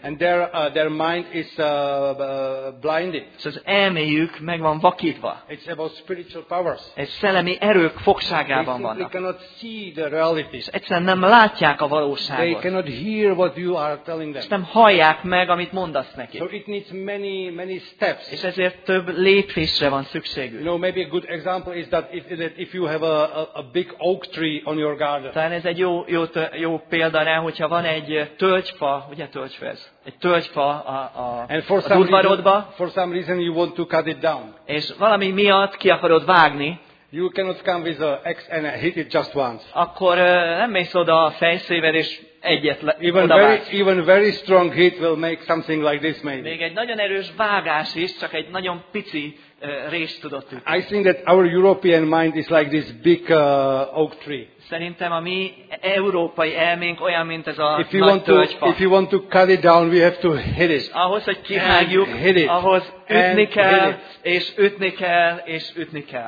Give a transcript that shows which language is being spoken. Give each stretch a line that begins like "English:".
English: And their mind is blinded.
Hungarian: Az elméjük meg van vakítva.
English: It's about spiritual powers.
Hungarian: Egy szellemi erők fogságában vannak.
English: They cannot see the reality.
Hungarian: Egyszerűen nem látják a valóságot.
English: They cannot hear what you are telling them.
Hungarian: És nem hallják meg, amit mondasz nekik.
English: So it needs many, many steps.
Hungarian: És ezért több lépésre van szükségük.
English: You know, maybe a good example is that if you have a big oak tree on your garden.
Hungarian: Talán ez egy jó példa rá, hogyha van egy tölgyfa, ugye tölgyfa ez? Egy tölgyfa a udvarodba,
English: for some reason you want to cut it down.
Hungarian: És valami miatt ki akarod vágni.
English: You cannot come with an axe and hit it just once.
Hungarian: Akkor nem mész oda a fejszével és egyet odavágsz.
English: Even very strong hit will make something like this maybe.
Hungarian: Még egy nagyon erős vágás is, csak egy nagyon pici részt tudott ütni.
English: I think that our European mind is like this big oak tree.
Hungarian: Szerintem a mi európai elménk olyan, mint ez a nagy tölgyfa.
English: If you want to cut it down, we have to hit it.
Hungarian: Ahhoz, hogy kihágjuk, ahhoz ütni kell, és ütni kell, és ütni kell.